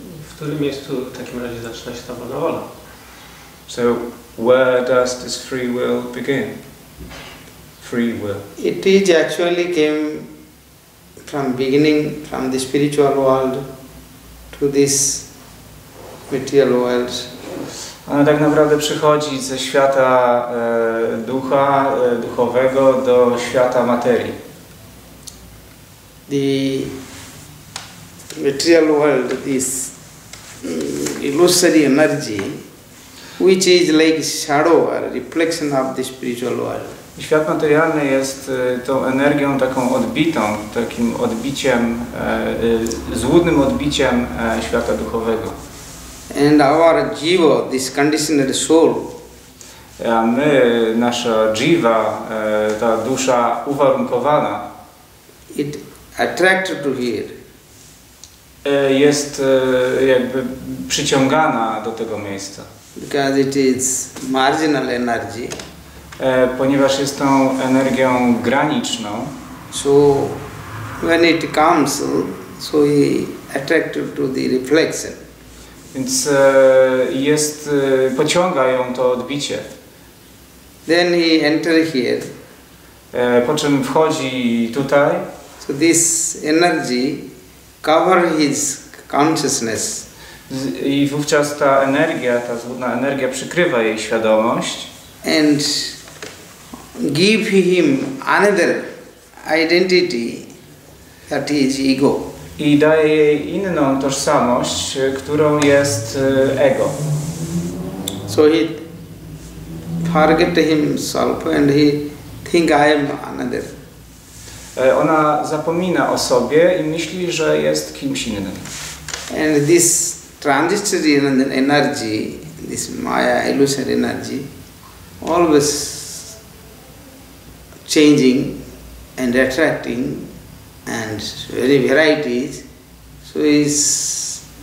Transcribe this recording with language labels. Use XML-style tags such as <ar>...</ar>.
<pl>W którym miejscu w takim razie zaczyna się ta wolna wola?</pl> <en>So, where does this free will begin? Free will. It is actually came from beginning, from the spiritual world to this material world.</en> <pl>Ona tak naprawdę przychodzi ze świata ducha, duchowego, do świata materii.</pl> <en>The material world is illusory energy, which is like shadow or reflection of the spiritual world.</en> <pl>Świat materialny jest tą energią taką odbitą, takim odbiciem, złudnym odbiciem świata duchowego.</pl> <en>And our jiva, this conditioned soul.</en> <pl>A my, nasza jiva, ta dusza uwarunkowana,</pl> <en>it attracted to here.</en> <pl>Jest jakby przyciągana do tego miejsca.</pl> <en>Because it is marginal energy.</en> <pl>Ponieważ jest tą energią graniczną,</pl> <en>so when it comes, so he attracted to the reflection.</en> <pl>Więc jest, pociąga ją to odbicie.</pl> <en>Then he enter here.</en> <pl>Po czym wchodzi tutaj.</pl> <en>So this energy cover his consciousness.</en> <pl>I wówczas ta energia, ta złudna energia przykrywa jej świadomość.</pl> <en>And give him another identity, that is ego.</en> <pl>I daje jej inną tożsamość, którą jest ego.</pl> <en>So he forget himself and he think I am another.</en> <pl>Ona zapomina o sobie i myśli, że jest kimś innym.</pl> <en>And this transitory energy, this maya illusory energy, always changing and attracting and very varieties, so is</en>